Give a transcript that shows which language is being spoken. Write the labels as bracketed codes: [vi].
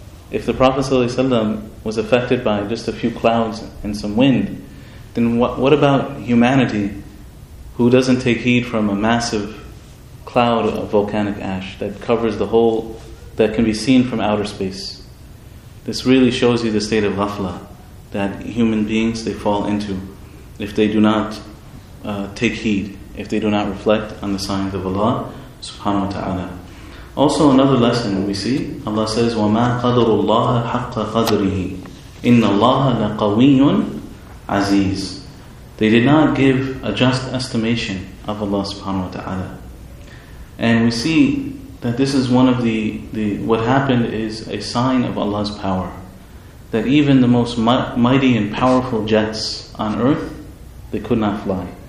[en] If the Prophet ﷺ was affected by just a few clouds and some wind, then what about humanity who doesn't take heed from a massive cloud of volcanic ash that covers the whole, that can be seen from outer space? This really shows you the state of ghafla that human beings, they fall into if they do not take heed, if they do not reflect on the signs of Allah subhanahu wa ta'ala. Also, another lesson we see, Allah says, [ar] وَمَا قَدَرُ اللَّهَ حَقَّ قَدْرِهِ إِنَّ اللَّهَ لَقَوِيٌّ عَزِيزٌ. [en] They did not give a just estimation of Allah subhanahu wa ta'ala. And we see that this is one of the what happened is a sign of Allah's power. That even the most mighty and powerful jets on earth, they could not fly.